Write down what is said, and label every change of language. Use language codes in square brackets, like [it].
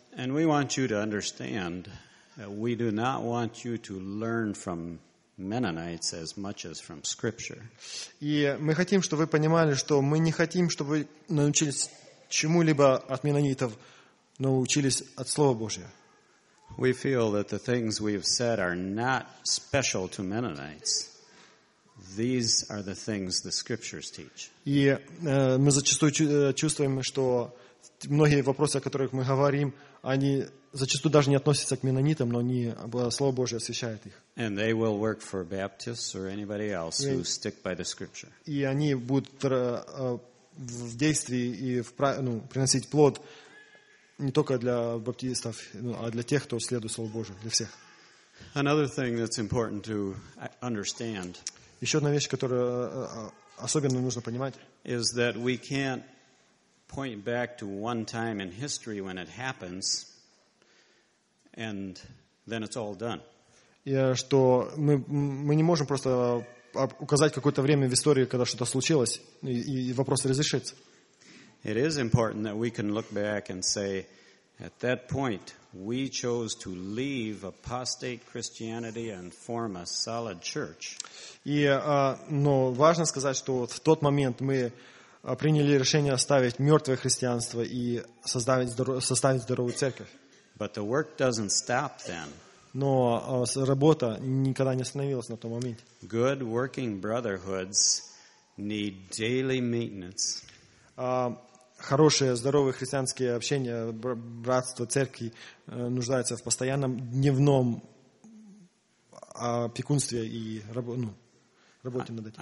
[en] And we want you to understand that we do not want you to learn from Mennonites as much as from Scripture. [ru] И мы хотим, чтобы вы понимали, что мы не хотим, чтобы вы научились чему-либо от меннонитов, но учились от Слова Божьего. [en] We feel that the things we've said are not special to Mennonites. These are the things the scriptures teach. [uk] І ми зачастую чуємо, що багато питань, про які ми говоримо, вони зачастую навіть не відносяться до менонітам, але вони або слово Боже освящає їх. [en] And they will work for Baptists or anybody else who stick by the scripture. [uk] І вони будуть в дії і приносити плод не тільки для баптистів, а для тих, хто слідує слову Боже, для всіх. [en] Another thing that's important to understand. [ru] Ещё одна вещь, которую особенно нужно понимать, [en] is that we can't point back to one time in history when it happens and then it's all done. [ru] Я что мы не можем просто указать какое-то время в истории, когда что-то случилось и вопрос разрешится. [en] It is important that we can look back and say at that point we chose to leave apostate Christianity and form a solid church. [ru] И, но важно сказать, что в тот момент мы приняли решение оставить мёртвое христианство и составить здоровую церковь. [en] But the work doesn't stop then. [ru] Но работа никогда не остановилась на том моменте. [en] Good working brotherhoods need daily maintenance. [ru] Хорошие, здоровые христианские общения, братство, церкви нуждаются в постоянном дневном опекунстве и работе над этим.